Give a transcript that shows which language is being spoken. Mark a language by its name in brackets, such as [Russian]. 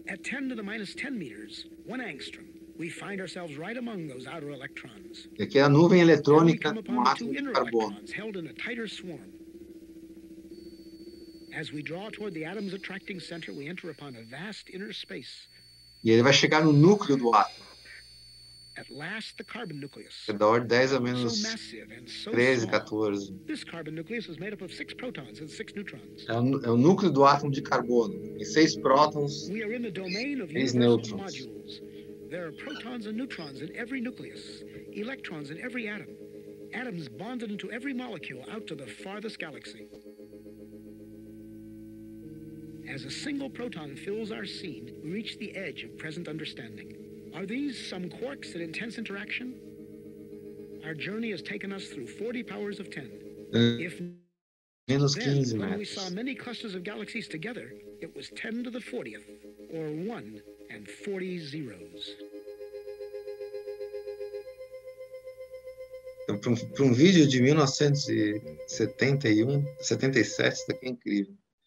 [English] At 10 to the minus 10 meters, one angstrom, we find ourselves right among those outer electrons. [Portuguese] E aqui é a nuvem eletrônica no átomo de carbono. [English] Held in a tighter swarm. As we draw toward the atom's attracting center, we enter upon a vast inner space. [Portuguese] E ele vai chegar no núcleo do átomo. [English] At last, the carbon nucleus. [Portuguese] É da ordem 10 a menos 13, 14. [English] This carbon nucleus is made up of 6 protons and 6 neutrons. [Portuguese] É o núcleo do átomo de carbono. Tem 6 prótons e 6 nêutrons. [English] There are protons and neutrons in every nucleus, electrons in every atom. Atoms bonded into every molecule out to the farthest galaxy. As a single proton fills our scene, we reach the edge of present understanding. Are these some quarks in intense interaction? Our journey has taken us through 40 powers of 10. If menos 15 then, when we saw many clusters of galaxies together, it was 10 to the 40th, or 1 and 40 zeros. [Portuguese] Então, para um vídeo de 1971, 77, isso aqui é incrível.